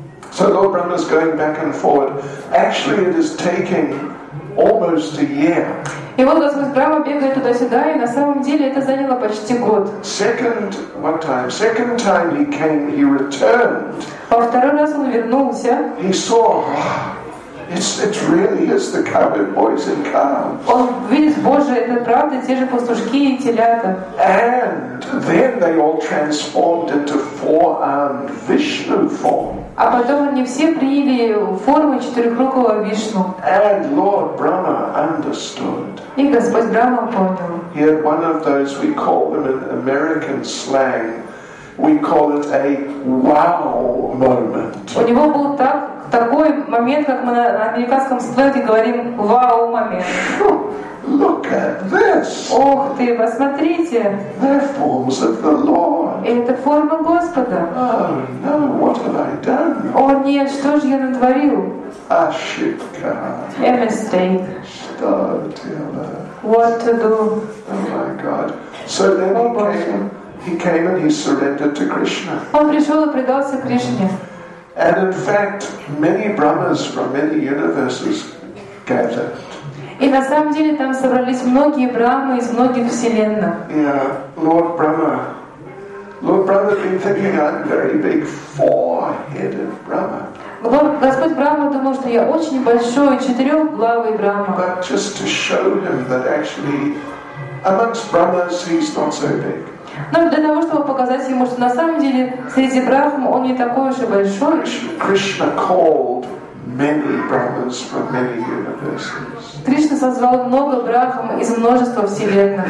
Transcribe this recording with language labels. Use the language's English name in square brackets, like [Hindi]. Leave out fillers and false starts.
[English] So Lord Brahma's going back and forward. Actually, it is taking almost a year. [Russian] И вот Господь Брама бегает туда-сюда, и на самом деле это заняло почти год. [English] Second, what time? Second time he came, he returned. [Russian] Во второй раз он вернулся. [English] He saw. It's the cowherd boys and calves. [Russian] Он видит, Боже, это правда, те же пастушки и телята. [English] And then they all transformed into four-armed Vishnu form. [Russian] А потом они все приняли форму четырехрукого Вишну. [English] And Lord Brahma understood. [Russian] И Господь Брама понял. [English] He had one of those we call them in American slang. We call it a wow moment. [Russian] У него был так. Такой момент, как мы на американском сленге говорим «вау момент». [English] Look at this! [Russian] Ох ты, посмотрите! [English] They're forms of the Lord. [Russian] Это форма Господа. [English] Oh, no, what have I done? [Russian] О нет, что же я натворил? Ошибка. [English] A mistake. [Russian] Что делать? [English] What to do? Oh my God. So then he came, He came and he surrendered to Krishna. [Russian] Он пришел и предался Кришне. [English] And in fact, many brahmas from many universes gathered. [Russian] И на самом деле там собрались многие брахмы из многих вселенных. [English] Yeah, Lord Brahma. Lord Brahma has been thinking I'm a very big four-headed Brahma. [Russian] Господь Брахма думал, что я очень большой, четырехглавый Брахма. [English] But just to show him that actually amongst brahmas he's not so big. [Russian] Но для того, чтобы показать ему, что на самом деле среди брахм он не такой уж и большой. [English] Krishna called many brahmas from many universes. [Russian] Кришна созвал много брахм из множества вселенных.